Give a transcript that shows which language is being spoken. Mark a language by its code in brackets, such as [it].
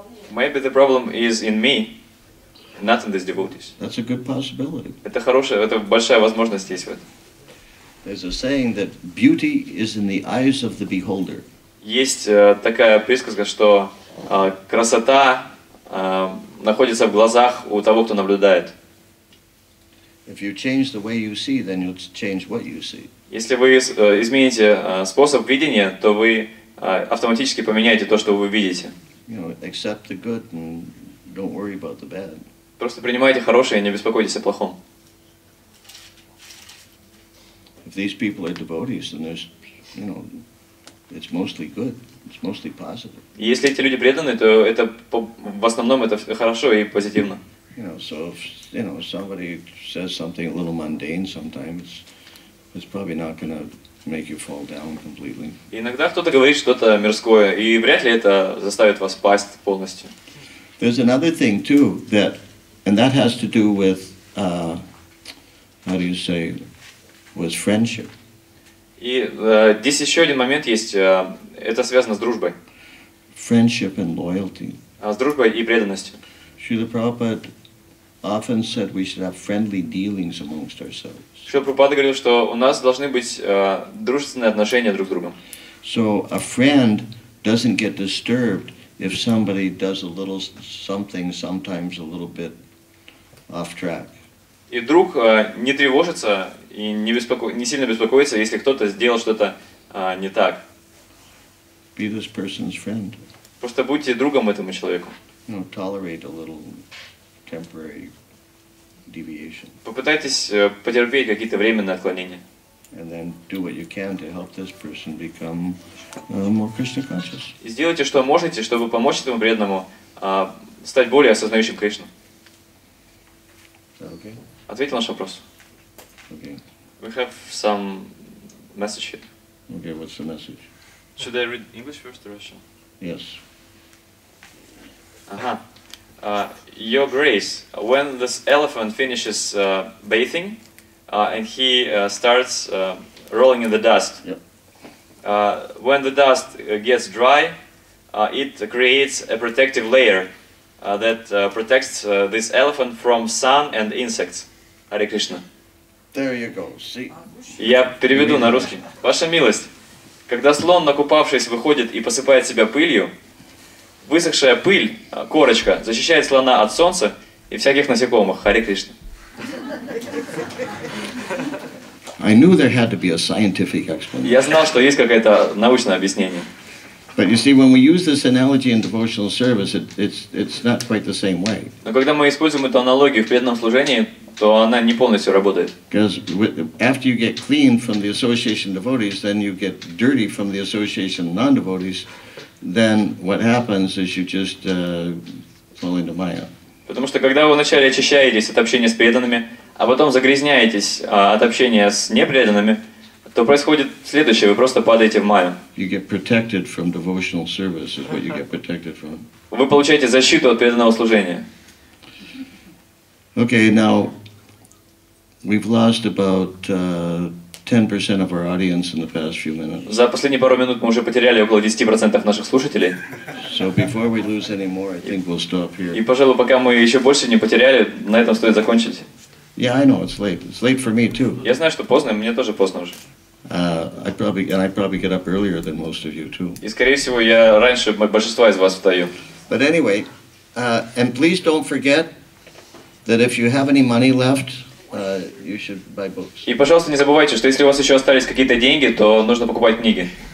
[en] Maybe the problem is in me, not in these devotees. That's a good possibility. [ru] Это хорошая, это большая возможность есть в этом. [en] There's a saying that beauty is in the eyes of the beholder. [ru] Есть такая присказка, что красота находится в глазах у того, кто наблюдает. [en] If you change the way you see, then you'll change what you see. [ru] Если вы измените способ видения, то вы автоматически поменяете то, что вы видите. [en] You know, accept the good and don't worry about the bad. [ru] Просто принимайте хорошее и не беспокойтесь о плохом. [en] If these people are devotees, then there's, you know, it's mostly good, it's mostly positive. [ru] Если эти люди преданы, то это в основном это хорошо и позитивно. [en] You know, so if, you know, somebody says something a little mundane sometimes, it's probably not going to make you fall down completely. [ru] Иногда кто-то говорит что-то мирское, и вряд ли это заставит вас пасть полностью. [en] There's another thing too that, and that has to do with, how do you say? Was friendship. [ru] И здесь еще один момент есть. Это связано с дружбой. [en] Friendship and loyalty. [ru] С дружбой и преданностью. [en] Srila Prabhupada often said we should have friendly dealings amongst ourselves. [ru] Srila Prabhupada говорил, что у нас должны быть дружественные отношения друг с другом. [en] So a friend doesn't get disturbed if somebody does a little something, sometimes a little bit off track. [ru] И друг не тревожится и не сильно беспокоится, если кто-то сделал что-то не так. [en] Be this person's friend. [ru] Просто будьте другом этому человеку. [en] You know, tolerate a little temporary deviation. [ru] Попытайтесь потерпеть какие-то временные отклонения. [en] And then do what you can to help this person become more Krishna conscious. [ru] И сделайте, что можете, чтобы помочь этому преданному стать более осознающим Кришну. [en] Okay. [ru] Ответьте на наш вопрос. [en] Okay. We have some message here. Okay, what's the message? Should I read English first or Russian? Yes. Aha. Your Grace, when this elephant finishes bathing and he starts rolling in the dust, yeah. When the dust gets dry, it creates a protective layer that protects this elephant from sun and insects. Hare Krishna. There you go. See. [ru] Я переведу на русский. Ваша милость, когда слон, накупавшись, выходит и посыпает себя пылью, высохшая пыль, корочка, защищает слона от солнца и всяких насекомых. Hare Krishna. [en] I knew there had to be a scientific explanation. [ru] Я знал, что есть какое-то научное объяснение. [en] But you see, when we use this analogy in devotional service, it's not quite the same way. [ru] Но когда мы используем эту аналогию в преданном служении, то она не полностью работает. [en] Because after you get clean from the association devotees, then you get dirty from the association non-devotees, then what happens is you just fall into maya. [ru] Потому что когда вы вначале очищаетесь от общения с преданными, а потом загрязняетесь от общения с непреданными, то происходит следующее, вы просто падаете в майю. [en] You get protected from devotional service is what you get protected from. [ru] Вы получаете защиту от преданного служения. [en] Okay, now we've lost about 10% of our audience in the past few minutes. [ru] За последние пару минут мы уже потеряли около 10% наших слушателей. [en] So before we lose any more, I think we'll stop here. [ru] И, пожалуй, пока мы еще больше не потеряли, на этом стоит закончить. [en] Yeah, I know, it's late. It's late for me too. [ru] Я знаю, что поздно, мне тоже поздно уже. [en] I probably get up earlier than most of you too. [ru] И скорее всего, я раньше большинства из вас встаю. [en] But anyway, and please don't forget that if you have any money left, you should buy books. [ru] И, пожалуйста, не забывайте, что если у вас еще остались какие-то деньги, то нужно покупать книги.